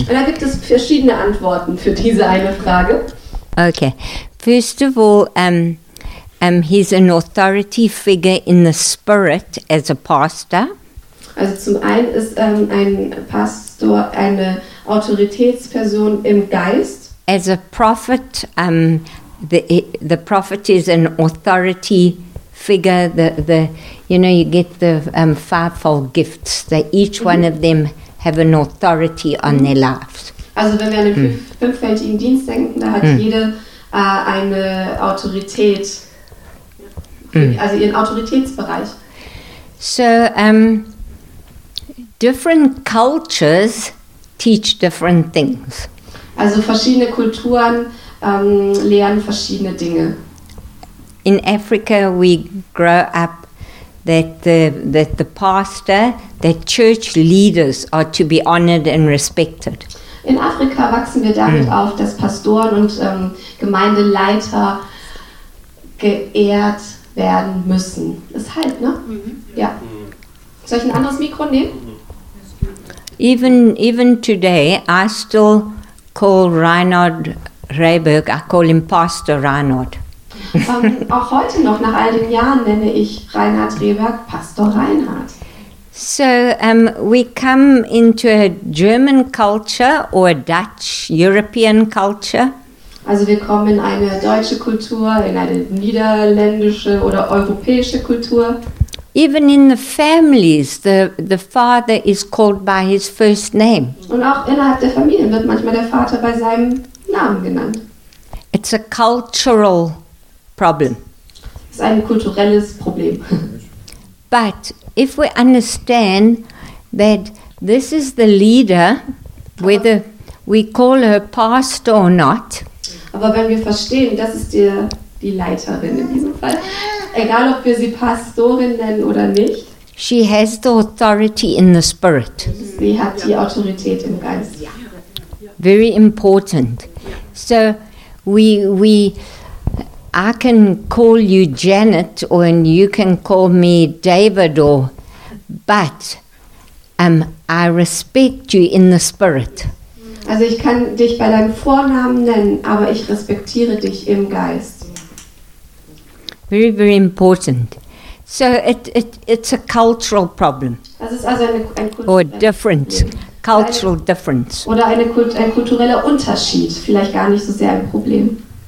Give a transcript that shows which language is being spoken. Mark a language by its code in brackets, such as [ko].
[de] Und da gibt es verschiedene Antworten für diese eine Frage. [en] Okay, first of all, he's an authority figure in the spirit as a pastor. [de] Also zum einen ist ein Pastor eine Autoritätsperson im Geist. [en] As a prophet, the prophet is an authority figure. The you know, you get the fivefold gifts. That each one of them have an authority on their lives. [de] Also wenn wir an den fünffältigen Dienst denken, da hat jede eine Autorität, also ihren Autoritätsbereich. [en] So, different cultures teach different things. [de] Also verschiedene Kulturen lernen verschiedene Dinge. [en] In Africa we grow up that the pastor, that church leaders are to be honored and respected. [de] In Afrika wachsen wir damit auf, dass Pastoren und Gemeindeleiter geehrt werden müssen. Ist halt, ne? Ja. Soll ich ein anderes Mikro nehmen? [en] Even today, I still call Reinhard Rehberg, I call him Pastor Reinhard. [de] Auch heute noch, nach all den Jahren, nenne ich Reinhard Rehberg Pastor Reinhard. [en] So, we come into a German culture or a Dutch European culture. [de] Also wir kommen in eine deutsche Kultur, in eine niederländische oder europäische Kultur. [en] Even in the families, the father is called by his first name. [de] Und auch innerhalb der Familien wird manchmal der Vater bei seinem Namen genannt. [en] It's a cultural problem. [de] Es ist ein kulturelles Problem. [en] But if we understand that this is the leader, whether we call her pastor or not. [de] Aber wenn wir verstehen, das ist die Leiterin in diesem Fall. Egal, ob wir sie Pastorin nennen oder nicht. [en] She has the authority in the spirit. [de] Sie hat die Autorität im Geist. [en] Very important. So, I can call you Janet or you can call me David or, but I respect you in the spirit. [de] Also ich kann dich bei deinem Vornamen nennen, aber ich respektiere dich im Geist. [en] Very, very important. So it's a cultural problem. [de] Das ist also ein [en] difference. [de] Oder ein kultureller Unterschied, vielleicht gar nicht so sehr ein Problem.